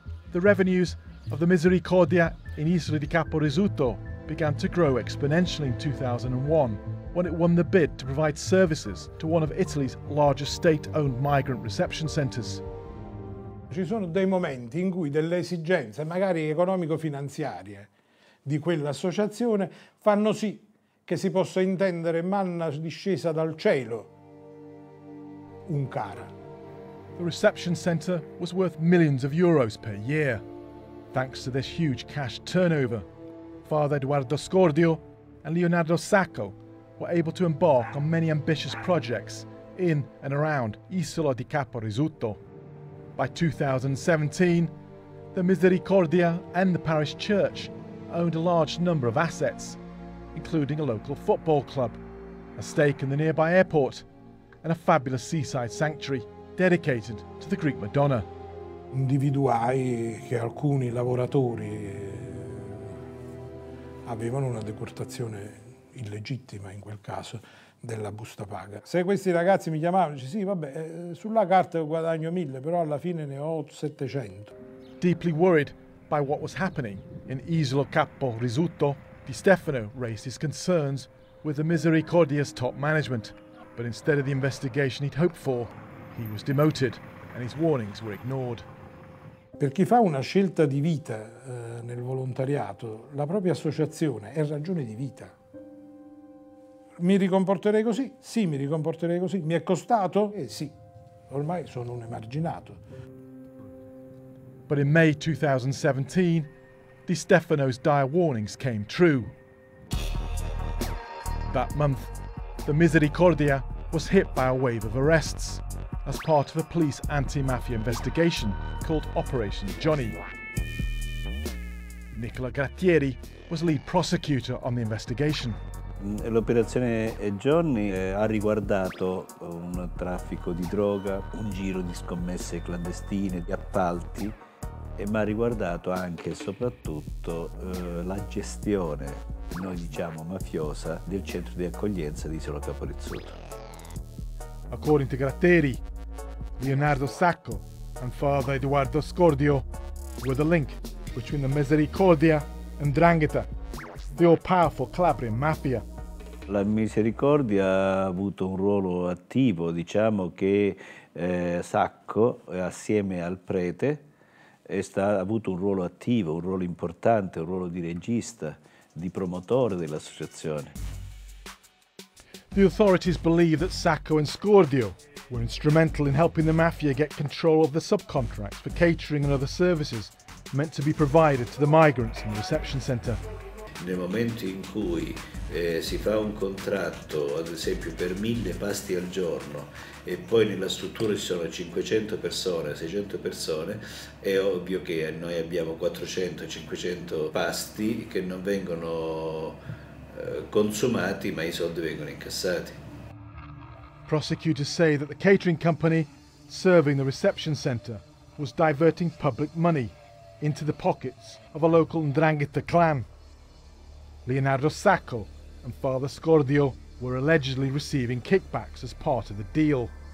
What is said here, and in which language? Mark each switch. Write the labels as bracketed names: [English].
[English] The revenues of the Misericordia in Isola di Capo Risuto began to grow exponentially in 2001 when it won the bid to provide services to one of Italy's largest state-owned migrant reception centers. [Italian] Ci sono dei momenti in cui delle esigenze, magari economico-finanziarie, di quell'associazione fanno sì che si possa intendere manna discesa dal cielo, un cara. [English] The reception center was worth millions of euros per year. Thanks to this huge cash turnover, Father Eduardo Scordio and Leonardo Sacco were able to embark on many ambitious projects in and around Isola di Capo Risuto. By 2017, the Misericordia and the parish church owned a large number of assets, including a local football club, a stake in the nearby airport, and a fabulous seaside sanctuary dedicated to the Greek Madonna. [Italian] Individuai che alcuni lavoratori avevano una deportazione illegittima in quel caso della busta paga. Se questi ragazzi mi chiamavano, dice sì, vabbè, sulla carta guadagno 1000, però alla fine ne ho 700. [English] Deeply worried by what was happening in Isola Capo Risuto, Di Stefano raised his concerns with the Misericordia's top management. But instead of the investigation he'd hoped for, he was demoted and his warnings were ignored. [Italian] Per chi fa una scelta di vita nel volontariato, la propria associazione è ragione di vita. Mi ricomporterei così? Sì, mi ricomporterei così. Mi è costato? Sì, ormai sono un emarginato. [English] But in May 2017, Di Stefano's dire warnings came true. That month, the Misericordia was hit by a wave of arrests as part of a police anti-mafia investigation called Operation Johnny. Nicola Grattieri was lead prosecutor on the investigation. [Italian] L'operazione Johnny ha riguardato un traffico di droga, un giro di scommesse clandestine, di appalti, ma ha riguardato anche e soprattutto la gestione, noi diciamo mafiosa, del centro di accoglienza di Isola Capo Rizzuto. [English] According to Grattieri, Leonardo Sacco and Father Eduardo Scordio were the link between the Misericordia and 'Ndrangheta, the all-powerful Calabrian mafia. [Italian] La Misericordia ha avuto un ruolo attivo, diciamo che Sacco, assieme al prete, ha avuto un ruolo attivo, un ruolo importante, un ruolo di regista, di promotore dell'associazione. [English] The authorities believe that Sacco and Scordio were instrumental in helping the mafia get control of the subcontracts for catering and other services meant to be provided to the migrants in the reception center. [Italian] Nel momento in cui si fa un contratto, ad esempio per 1000 pasti al giorno, e poi nella struttura ci sono 500 persone, 600 persone, è ovvio che noi abbiamo 400-500 pasti che non vengono consumati, ma i soldi vengono incassati. [English] Prosecutors say that the catering company serving the reception center was diverting public money into the pockets of a local 'Ndrangheta clan. Leonardo Sacco and Father Scordio were allegedly receiving kickbacks as part of the deal.